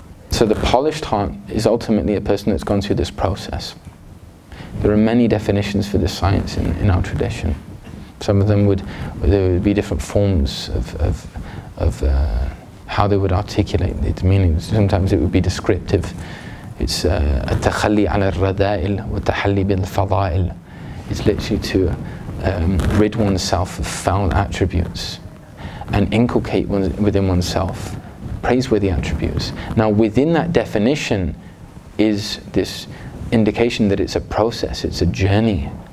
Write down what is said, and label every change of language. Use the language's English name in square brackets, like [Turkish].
[English] So the polished heart is ultimately a person that's gone through this process. There are many definitions for this science in our tradition. Some of them there would be different forms of how they would articulate its meaning. Sometimes it would be descriptive It's [Arabic] التخلي عن الرذائل وتحلي بالفضائل. [English] It's literally to rid oneself of foul attributes and inculcate within oneself praiseworthy attributes. Now, within that definition is this indication that it's a process, it's a journey.